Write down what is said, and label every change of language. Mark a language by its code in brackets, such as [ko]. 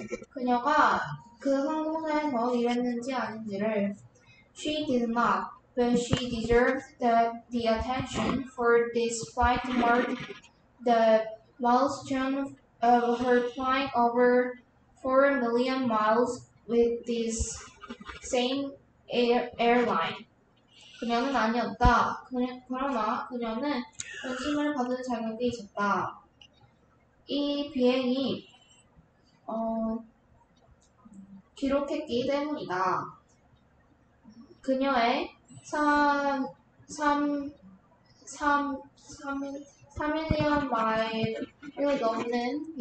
[ko] 그녀가 그 항공사에서 일했는지 아닌지를. [en] She did not, but she deserved the attention for this flight marked the milestone of her flying over 4 million miles with this same airline. [ko] 그녀는 아니었다. 그러나 그녀는 관심을 받은 자격이 있었다. 이 비행이 기록했기 때문이다. 그녀의 3밀리언 마일을 넘는